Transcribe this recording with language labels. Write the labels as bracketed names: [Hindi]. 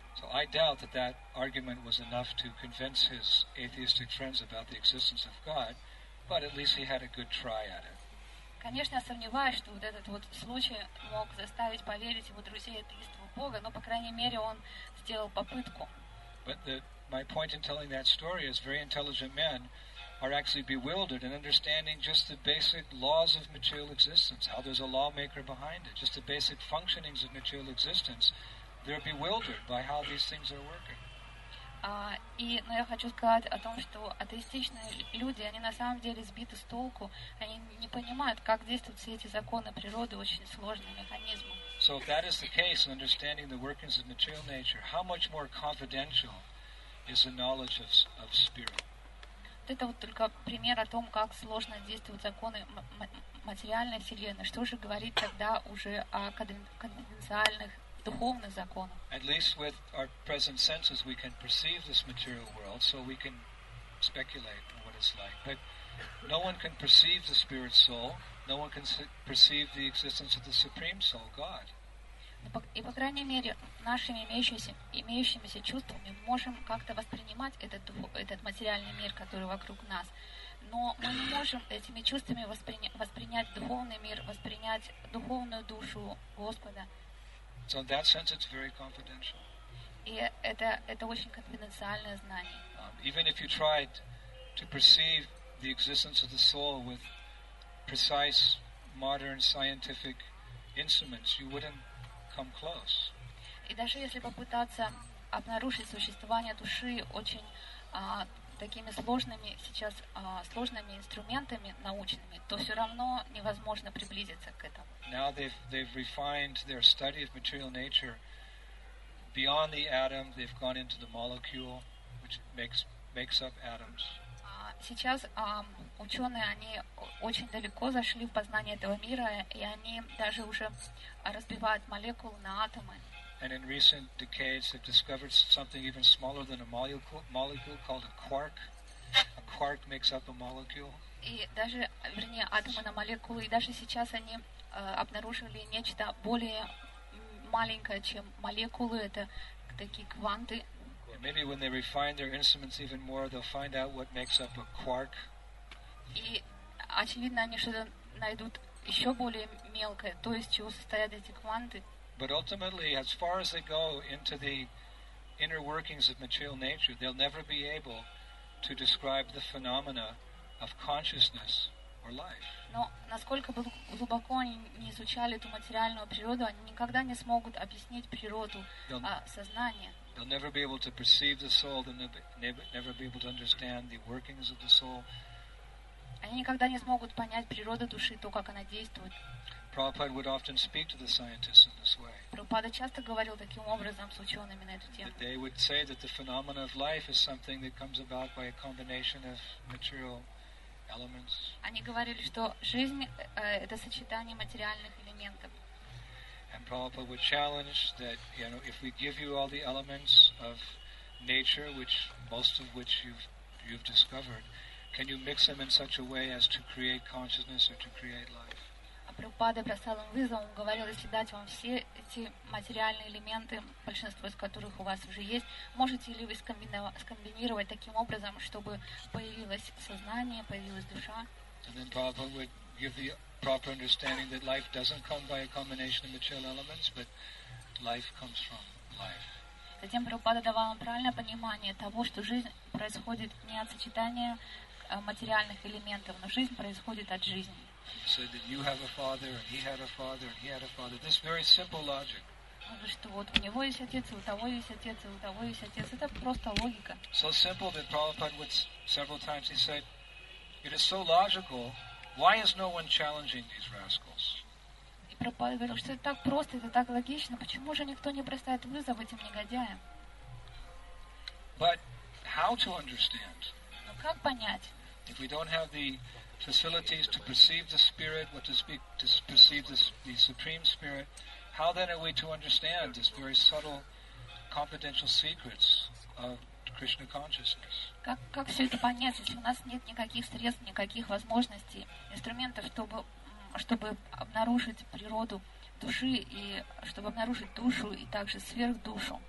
[English] So I doubt that argument was enough to convince his atheistic friends about the existence of God, but at least he had a good try at it. [Russian] Конечно, я сомневаюсь, что вот этот вот случай мог заставить поверить его друзей атеистов в Бога, но по крайней мере он сделал попытку. [English] But my point in telling that story is very intelligent men are actually bewildered in understanding just the basic laws of material existence, how there's a lawmaker behind it, just the basic functionings of material existence. They're bewildered by how these things are working. [Russian] Но я хочу сказать о том, что атеистичные люди, они на самом деле сбиты с толку, они не понимают, как действуют все эти законы природы, очень сложные механизмы. [English] So if that is the case in understanding the workings of material nature, how much more confidential is the knowledge of spirit? [Russian] Это вот только пример о том, как сложно действуют законы материальной вселенной. Что же говорить тогда уже о конфиденциальных духовных законах? [English] At least with our present senses we can perceive this material world, so we can speculate what it's like. But no one can perceive the spirit soul, no one can perceive the existence of the supreme soul, God. [Russian] И по крайней мере нашими имеющимися чувствами мы можем как-то воспринимать этот материальный мир, который вокруг нас. Но мы не можем этими чувствами воспринять духовный мир, воспринять духовную душу Господа. [English] So in that sense, it's very confidential. [Russian] И это очень конфиденциальное знание. [English] Even if you tried to perceive the existence of the soul with precise modern scientific instruments, you wouldn't come close. [Russian] И даже если попытаться обнаружить существование души очень такими сложными сейчас сложными инструментами научными, то все равно невозможно приблизиться к этому. [English] Now they've refined their study of material nature beyond the atom. They've gone into the molecule, which makes up atoms. [Russian] Сейчас ученые они очень далеко зашли в познание этого мира, и они даже уже разбивают молекулы на атомы. [English] And in recent decades, they've discovered something even smaller than a molecule called a quark. A quark makes up a molecule. [Russian] И даже, вернее, атомы на молекулы, и даже сейчас они обнаружили нечто более маленькое, чем молекулы, это такие кванты. [English] And maybe when they refine their instruments even more, they'll find out what makes up a quark. [Russian] И очевидно, они что-то найдут еще более мелкое, то есть чего состоят эти кванты. [English] But ultimately, as far as they go into the inner workings of material nature, they'll never be able to describe the phenomena of consciousness or life. [Russian] Но насколько бы глубоко они не изучали эту материальную природу, они никогда не смогут объяснить природу сознания. [English] They'll never be able to perceive the soul, they'll never be able to understand the workings of the soul. [Russian] Они никогда не смогут понять природу души, то, как она действует. [English] Prabhupada would often speak to the scientists in this way. [Russian] Prabhupada часто говорил таким образом с учеными на эту тему. [English] They would say that the phenomena of life is something that comes about by a combination of material [Russian] Они говорили, что жизнь это сочетание материальных элементов. [English] And Prabhupada would challenge that, you know, if we give you all the elements of nature, which most of which you've discovered, can you mix them in such a way as to create consciousness or to create life? [Russian] А Прабхупада бросал им вызов, он говорил, если дать вам все эти материальные элементы, большинство из которых у вас уже есть, можете ли вы скомбинировать таким образом, чтобы появилось сознание, появилась душа? [English] And then Prabhupada would give the proper understanding that life doesn't come by a combination of material elements, but life comes from life. [Russian] Затем Прабхупада давал им правильное понимание того, что жизнь происходит не от сочетания материальных элементов, но жизнь происходит от жизни. [English] So that you have a father, and he had a father, and he had a father. This very simple logic. [Russian] Что вот у него есть отец, у того есть отец, у того есть отец. Это просто логика. [English] So simple that Prabhupada would several times he said, it is so logical. Why is no one challenging these rascals? [Russian] И Прабхупада говорил, что это так просто, это так логично. Почему же никто не бросает вызов этим негодяям? [English] But how to understand? [Russian] Но как понять? [English] If we don't have the facilities to perceive the spirit, what to speak, to perceive the supreme spirit, how then are we to understand this very subtle, confidential secrets of Krishna consciousness? [Russian] Как все это понять, если у нас нет никаких средств, никаких возможностей, инструментов, чтобы обнаружить природу души и чтобы обнаружить душу и также сверхдушу?